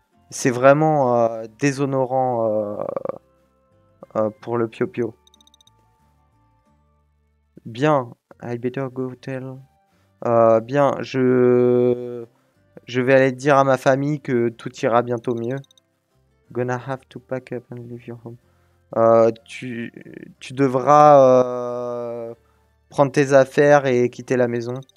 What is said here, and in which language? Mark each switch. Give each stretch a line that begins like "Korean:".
French: C'est vraiment déshonorant pour le Pio Pio. Bien,
English: I better go tell.
French: Bien, je vais aller dire à ma famille que tout ira bientôt mieux.
English: Gonna have to pack up and leave your home.
French: Tu devras prendre tes affaires et quitter la maison.